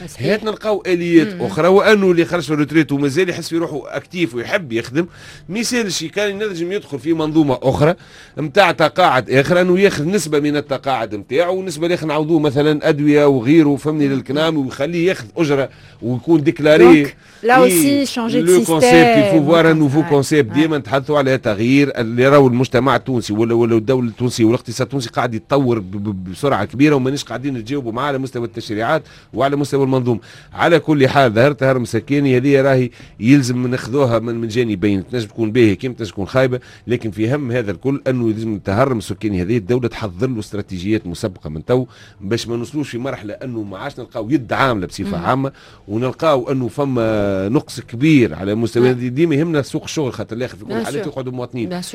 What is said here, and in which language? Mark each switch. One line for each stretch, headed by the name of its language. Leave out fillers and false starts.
Arabic: هات نلقاو اليات اخرى، وانه اللي خرج في الروتريت ومازال يحس في روحه اكتيف ويحب يخدم مثال شيء كان ينجم يدخل في منظومة أخرى متاع تقاعد آخر، أنه ياخذ نسبة من التقاعد متاعه ونسبة اللي نعوضوه مثلا أدوية وغيره وفهمني للكنام، ويخليه ياخذ أجرة ويكون ديكلاري. لا
French: aussi changer de système. Il faut voir un nouveau concept.
Arabic: ديما نتحدثوا على تغيير اللي راهو المجتمع التونسي ولا الدولة التونسي والاقتصاد التونسي قاعد يتطور بسرعة كبيرة، ومانيش قاعدين نجاوبوا معاه على مستوى التشريعات وعلى مستوى المنظومة. على كل حال ظهر التهرم السكاني هذه راهي يلزم ناخذوها من جانبين، تنجم تكون باهية كيما تنجم تكون خايبة، لكن في هم هذا الكل أنه يلزم التهرم السكاني هذه الدولة تحضر له استراتيجيات مسبقة من تو باش ما نوصلوش في مرحلة أنه ما عادش نلقاو يد عاملة بصفة عامة ونلقاو أنه فما نقص كبير على مستوى ديما يهمنا سوق الشغل، خاطر الاخر في كل الحالات يقعدوا مواطنين.